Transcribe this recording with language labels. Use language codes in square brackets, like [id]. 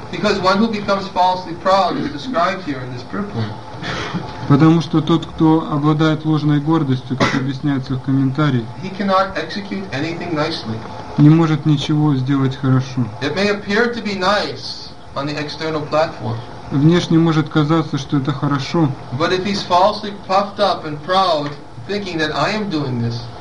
[en] Because one who becomes falsely proud is described here in this purport. [ru] Потому что тот, кто обладает ложной гордостью, как объясняется в комментарии, [en] he cannot execute anything nicely. [ru] Не может ничего сделать хорошо. [en] It may appear to be nice on the external platform. [ru] Внешне может казаться, что это хорошо. [en] But if he's falsely puffed up and proud, thinking that I am doing this.